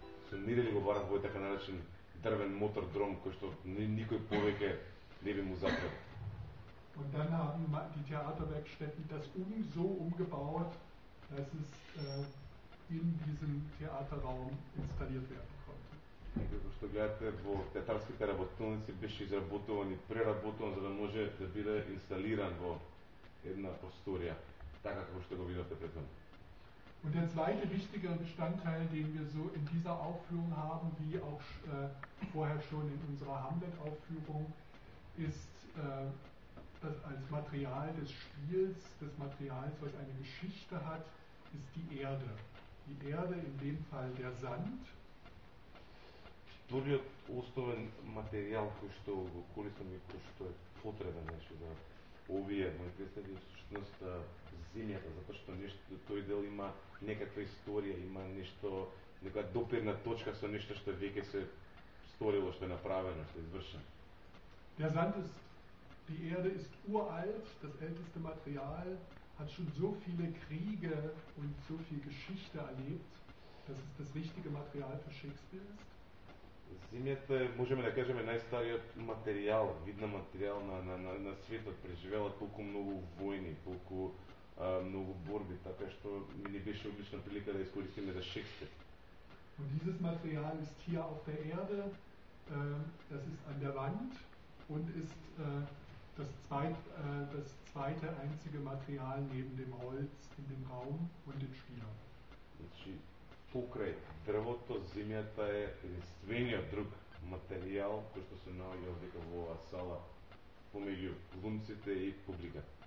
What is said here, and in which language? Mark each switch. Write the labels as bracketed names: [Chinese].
[German] So niedrig war das heute, dass ein drüben Motodrom, das niemand mehr braucht, neben dem Museum. Und dann haben die Theaterwerkstätten das so umgebaut, dass es in diesem Theaterraum installiert werden konnte. [Macedonian] Како што гледате во театарските работилници беше изработуван и преработуван за да може да биде инсталиран во една просторија, така како што го видовте претходно. [German] Und der zweite wichtige Bestandteil, den wir so in dieser Aufführung haben, wie auch vorher schon in unserer Hamlet-Aufführung, ist das als Material des Spiels, des Materials, was eine Geschichte hat, ist die Erde. Die Erde, in dem Fall der Sand. [Macedonian] Вториот основен материјал кој што го користам и кој што е потребен значи, за овие мои представи е всушност земјата, затоа што нешто, тој дел има некаква историја, има нешто, некоја допирна точка со нешто што веќе се сторило, што е направено, што е извршено. [German] Der Sand ist, die Erde ist uralt, das älteste Material, hat schon so viele Kriege und so viel Geschichte erlebt, dass es das richtige Material für Shakespeare ist. [Macedonian] Земјата е, можеме да кажеме, најстариот материјал, видна материјал на светот, преживела толку многу војни, толку многу борби, така што ми не беше облична прилика да искористиме за Шекспир. [German] Und dieses Material ist hier auf der Erde, das ist an der Wand und ist das zweite einzige Material neben dem Holz in dem Raum und dem Spieler. [Macedonian] Покрај дрвото, земјата е единствениот друг материјал кој што се наоѓа дека во оваа сала помеѓу глумците и публика.